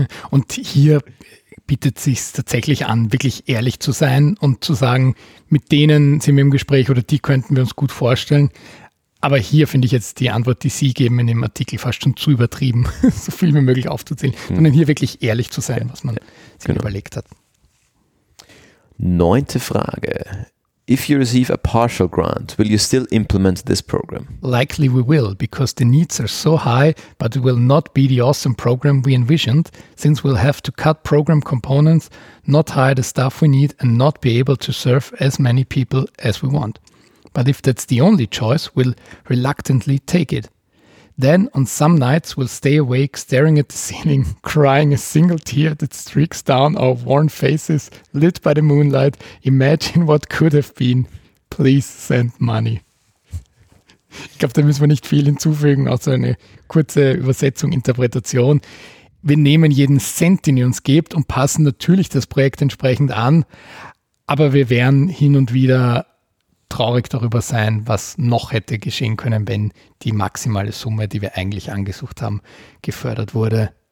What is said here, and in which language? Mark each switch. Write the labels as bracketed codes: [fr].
[de] Und hier bietet es sich tatsächlich an, wirklich ehrlich zu sein und zu sagen, mit denen sind wir im Gespräch oder die könnten wir uns gut vorstellen. Aber hier finde ich jetzt die Antwort, die Sie geben in dem Artikel, fast schon zu übertrieben, so viel wie möglich aufzuzählen, sondern hier wirklich ehrlich zu sein, was man sich überlegt hat. Neunte Frage. [en] If you receive a partial grant, will you still implement this program? Likely we will, because the needs are so high, but it will not be the awesome program we envisioned, since we'll have to cut program components, not hire the staff we need, and not be able to serve as many people as we want. But if that's the only choice, we'll reluctantly take it. Then, on some nights, we'll stay awake, staring at the ceiling, crying a single tear that streaks down our worn faces, lit by the moonlight. Imagine what could have been. Please send money. [de] Ich glaube, da müssen wir nicht viel hinzufügen, außer eine kurze Übersetzung, Interpretation. Wir nehmen jeden Cent, den ihr uns gebt, und passen natürlich das Projekt entsprechend an. Aber wir wären hin und wieder traurig darüber sein, was noch hätte geschehen können, wenn die maximale Summe, die wir eigentlich angesucht haben, gefördert wurde.